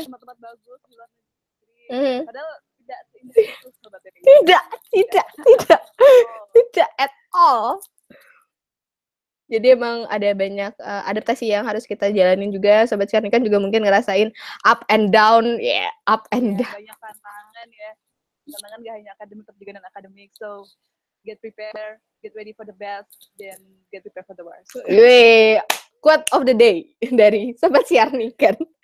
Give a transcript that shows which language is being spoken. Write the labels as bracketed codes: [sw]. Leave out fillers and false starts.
[id] Tempat-tempat bagus di luar negeri. Mm-hmm. Padahal tidak seindah itu, Sobat Siarnikan. Tidak [en] at all. [id] Jadi emang ada banyak adaptasi yang harus kita jalanin juga. Sobat Siar, ini kan juga mungkin ngerasain [en] up and down. Yeah, up and down. [id] Banyak tantangan ya. Tantangan gak hanya akademik, tapi juga non-akademik. [en] So, get prepared, get ready for the best, then get prepared for the worst. Quote of the day [id] dari Sobat Siar, ini kan.